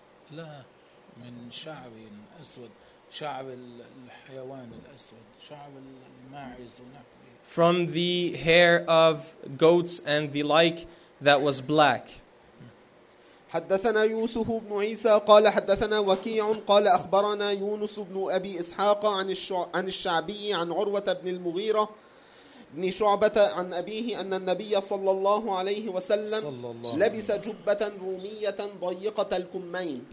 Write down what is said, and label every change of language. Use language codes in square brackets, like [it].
[ar] لا من شعر أسود شعر الحيوان الأسود شعر الماعز [en] From the hair of goats and the like that was black. [ar] حدثنا يوسف بن عيسى قال حدثنا وكيع قال أخبرنا يونس بن أبي إسحاق عن الشعبي عن عروة بن المغيرة بن شعبة عن أبيه أن النبي صلى الله عليه وسلم لبس جبة رومية ضيقة الكمين.